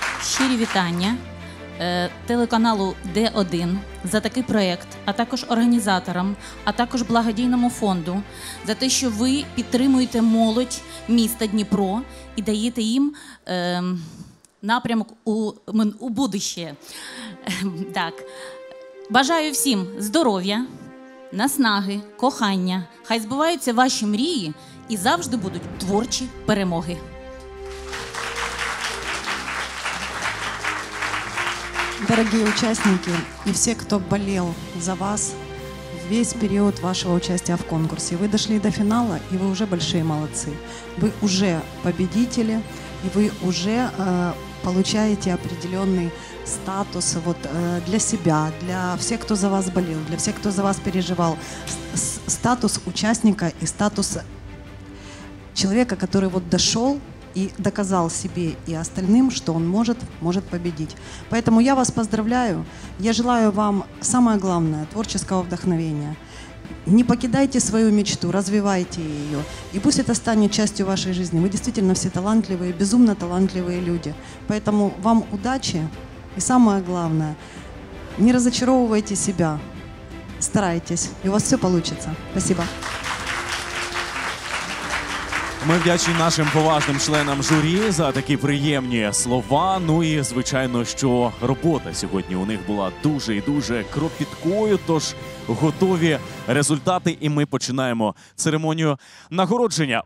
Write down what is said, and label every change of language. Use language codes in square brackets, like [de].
[uk] Щирі вітання телеканалу D1 за такий проєкт, а також організаторам, а також благодійному фонду, за те, що ви підтримуєте молодь міста Дніпро і даєте їм напрямок у будущее. Так. Бажаю всім здоров'я, наснаги, кохання. Хай збуваються ваші мрії і завжди будуть творчі перемоги. [ru] Дорогие участники и все, кто болел за вас весь период вашего участия в конкурсе, вы дошли до финала, и вы уже большие молодцы. Вы уже победители, и вы уже получаете определенный статус вот, для себя, для всех, кто за вас болел, для всех, кто за вас переживал. Статус участника и статус человека, который вот дошел, и доказал себе и остальным, что он может победить. Поэтому я вас поздравляю. Я желаю вам самое главное – творческого вдохновения. Не покидайте свою мечту, развивайте ее. И пусть это станет частью вашей жизни. Вы действительно все талантливые, безумно талантливые люди. Поэтому вам удачи. И самое главное – не разочаровывайте себя. Старайтесь, и у вас все получится. Спасибо. [uk] Ми вдячні нашим поважним членам журі за такі приємні слова. Ну і, звичайно, що робота сьогодні у них була дуже і дуже кропіткою, тож готові результати, і ми починаємо церемонію нагородження.